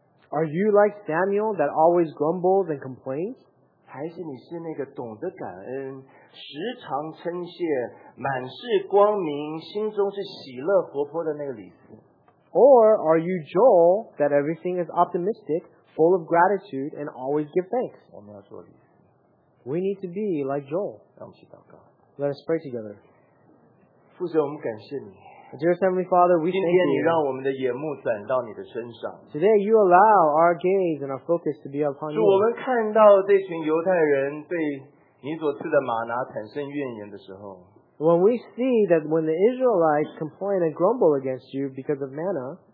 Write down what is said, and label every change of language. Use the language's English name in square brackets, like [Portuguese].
[English] Are you like Samuel that always grumbles and complains? [Chinese] 还是你是那个懂得感恩、时常称谢、满是光明、心中是喜乐活泼的那个李四？ [English] Or are you Joel that everything is optimistic, full of gratitude, and always give thanks? [Chinese] 我们要做李四。 [English] We need to be like Joel. [Chinese] 让我们去祷告。 [English] Let us pray together. [Chinese] 父神，我们感谢你。 [English] Dear Heavenly Father, we thank you. [Chinese] 今天你让我们的眼目转到你的身上。 [English] Today you allow our gaze and our focus to be upon you. [Chinese] 主，我们看到这群犹太人对你所赐的玛拿产生怨言的时候。 [English] When we see that when the Israelites complain and grumble against you because of manna,